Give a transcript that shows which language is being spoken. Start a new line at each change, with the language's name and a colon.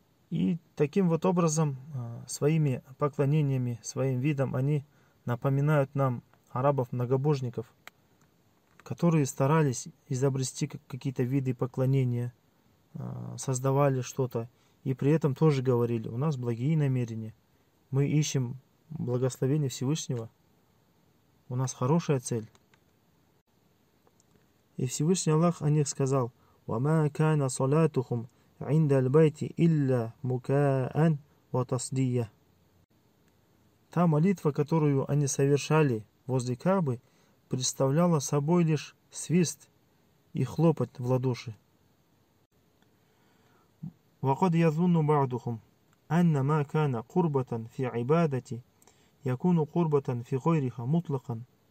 Russian: И таким вот образом, своими поклонениями, своим видом, они напоминают нам арабов-многобожников, которые старались изобрести какие-то виды поклонения, создавали что-то, и при этом тоже говорили: у нас благие намерения, мы ищем благословение Всевышнего, у нас хорошая цель. И Всевышний Аллах о них сказал:
Arabic: وَمَا كَانَ صَلَاتُهُمْ عِنْدَ الْبَيْتِ إِلَّا مُكَاءً وَتَصْدِيَةً.
Russian: Та молитва, которую они совершали возле Кабы, представляла собой лишь свист и хлопот в ладоши.
Arabic: وَقَدْ يَظُنُّ بَعْدُهُمْ أَنَّ مَا كَانَ قُرْبَةً فِي عِبَادَتِي يَكُونُ قُرْبَةً فِي غَيْرِهَا مُطْلَقًا.